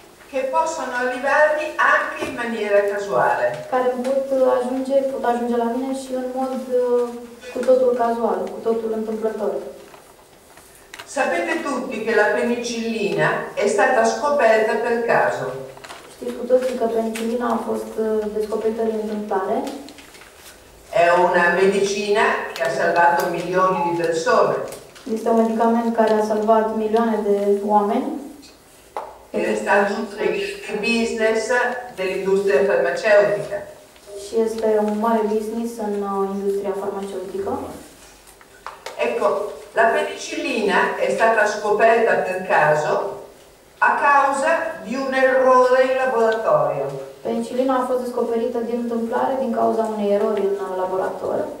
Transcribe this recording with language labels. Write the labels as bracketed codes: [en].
[it] che possono arrivarmi anche in maniera casuale. [ro] Care pot ajunge la mine și în mod cu totul cazual, cu totul întâmplător. [it] Sapete tutti che la penicillina è stata scoperta per caso. [ro] Știți cu toții că penicillina a fost descoperită din întâmplare. [it] È una medicina che ha salvato milioni di persone. [ro] Este un medicament care a salvat milioane de oameni. [it] Ed è stato un grande business dell'industria farmaceutica. [ro] Și este un mare business în industria farmaceutică. [it] Ecco, la penicillina è stata scoperta per caso a causa di un errore in laboratorio. [ro] Penicillina a fost descoperită din întâmplare din cauza unei erori în laborator.